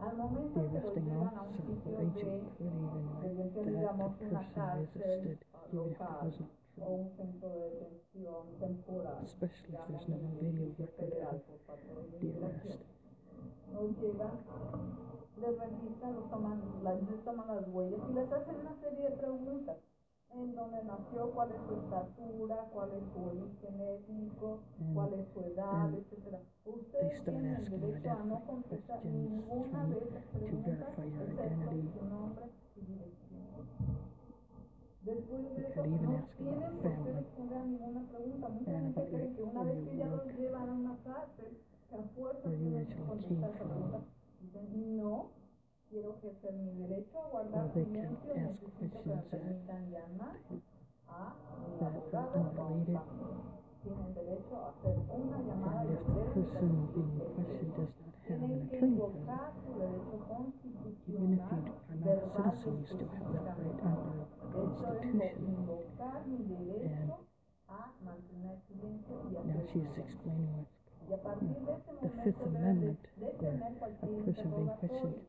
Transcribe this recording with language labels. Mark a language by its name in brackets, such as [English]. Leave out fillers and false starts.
[English] the arresting officer or agent would even like that the person resisted, even if it wasn't true, especially if there's no video record of the arrest. [Spanish] En donde nació, cuál es su estatura, cuál es su origen étnico, cuál es su edad, etc. Usted tiene el derecho a no contestar ninguna de esas preguntas, excepto su nombre y dirección. Después de eso, no tienen por qué responder a ninguna pregunta. Mucha gente cree que una vez que ya los llevan a una cárcel, se afuerzan y tienen que contestar esa pregunta. Dicen, no. [English] Or they can ask questions that are unrelated. And if the person being questioned does not have an attorney, even if you are not a citizen, you still have that right under the Constitution. And now she's explaining what's the Fifth Amendment, where a person being questioned